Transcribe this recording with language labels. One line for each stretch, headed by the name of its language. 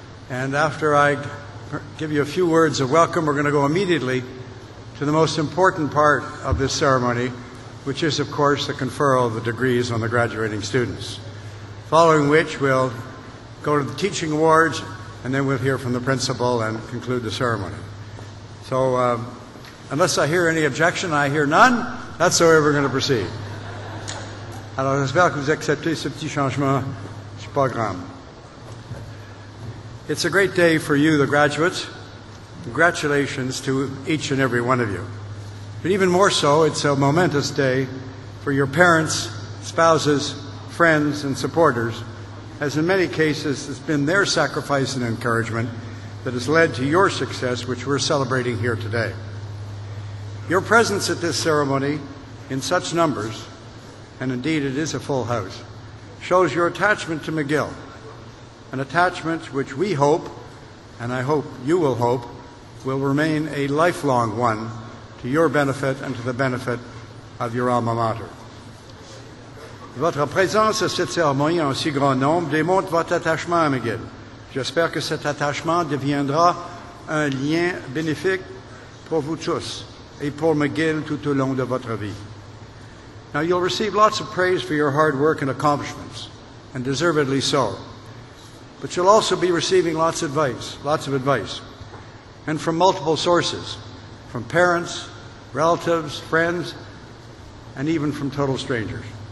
English: And after I give you a few words of welcome, we're going to go immediately to the most important part of this ceremony, which is, of course, the conferral of the degrees on the graduating students, following which we'll go to the teaching awards, and then we'll hear from the principal and conclude the ceremony. So unless I hear any objection, I hear none, that's the way we're going to proceed.
French: Alors, j'espère que vous acceptez ce petit changement du programme.
English: It's a great day for you, the graduates. Congratulations to each and every one of you. But even more so, it's a momentous day for your parents, spouses, friends, and supporters, as in many cases, it's been their sacrifice and encouragement that has led to your success, which we're celebrating here today. Your presence at this ceremony in such numbers, and indeed it is a full house, shows your attachment to McGill, an attachment which we hope, and I hope you will hope, will remain a lifelong one to your benefit and to the benefit of your alma mater.
French: Votre présence à cette cérémonie en si grand nombre démontre votre attachement à McGill. J'espère que cet attachement deviendra un lien bénéfique pour vous tous et pour McGill tout au long de votre vie.
English: Now, you'll receive lots of praise for your hard work and accomplishments, and deservedly so. But you'll also be receiving lots of advice, and from multiple sources, from parents, relatives, friends, and even from total strangers.